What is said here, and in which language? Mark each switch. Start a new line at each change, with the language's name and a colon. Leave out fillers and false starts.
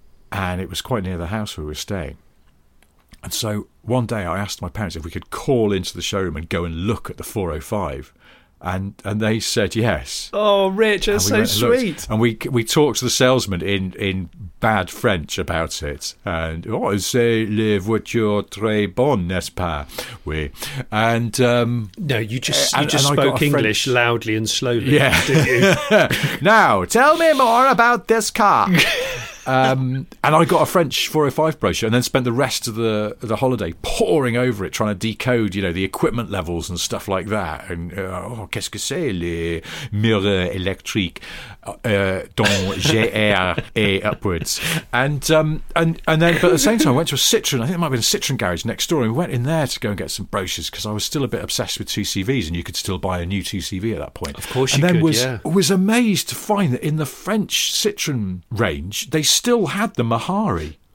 English: And it was quite near the house where we were staying. And so one day I asked my parents if we could call into the showroom and go and look at the 405. And they said yes. Oh, Rich, that's so sweet. And we talked to the salesman in bad French about it.
French: And, oh, c'est la voiture très bonne, n'est-ce pas?
English: Oui. And, You just spoke English loudly and slowly, yeah. Didn't you? Now, tell me more about this car. And I got a French 405 brochure and then spent the rest of the holiday poring over it, trying to decode, you know, the equipment levels and stuff like that.
French: And, qu'est-ce que c'est les mirrors électriques dont GR et upwards?
English: But at the same time, I went to a Citroën, I think it might have been a Citroën garage next door, and we went in there to go and get some brochures because I was still a bit obsessed with 2CVs, and you could still buy a new 2CV at that point. Of course and you could, And then was amazed to find that in the French Citroën range, they still had the Mahari.